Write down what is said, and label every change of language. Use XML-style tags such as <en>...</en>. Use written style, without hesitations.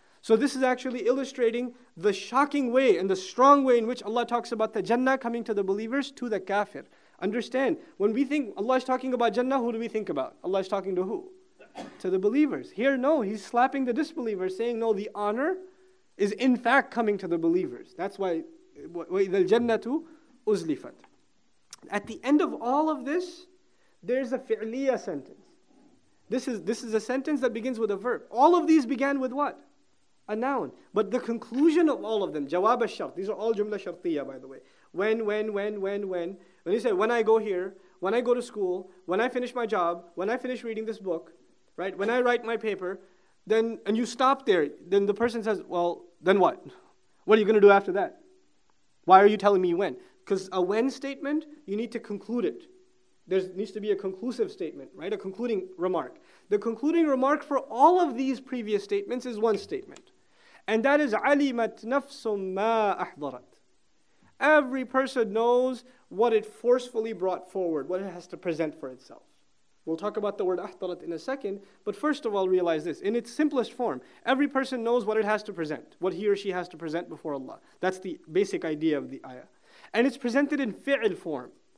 <en>So this is actually illustrating the shocking way and the strong way in which Allah talks about the Jannah coming to the believers to the kafir. Understand, when we think Allah is talking about Jannah, who do we think about? Allah is talking to who? to the believers. Here, no, he's slapping the disbelievers, saying, no, the honor is in fact coming to the believers. That's why,</en> <ar>وَإِذَا الْجَنَّةُ أُزْلِفَتْ.</ar> <en>At the end of all of this, there's a fi'liya sentence. This is a sentence that begins with a verb. All of these began with what? A noun. But the conclusion of all of them, jawab al-shart, these are all jumla shartiya, by the way. When. When you say, when I go here, when I go to school, when I finish my job, when I finish reading this book, right? When I write my paper, then, and you stop there, then the person says, well, then what? What are you going to do after that? Why are you telling me when? Because a when statement, you need to conclude it. There needs to be a conclusive statement, right? A concluding remark. The concluding remark for all of these previous statements is one statement. And that is,</en> <ar>عَلِمَتْ نَفْسٌ مَا أَحْضَرَتْ.</ar> <en>Every person knows what it forcefully brought forward, what it has to present for itself. We'll talk about the word أَحْضَرَتْ in a second, but first of all, realize this. In its simplest form, every person knows what it has to present, what he or she has to present before Allah. That's the basic idea of the ayah. And it's presented in fi'l form.</en>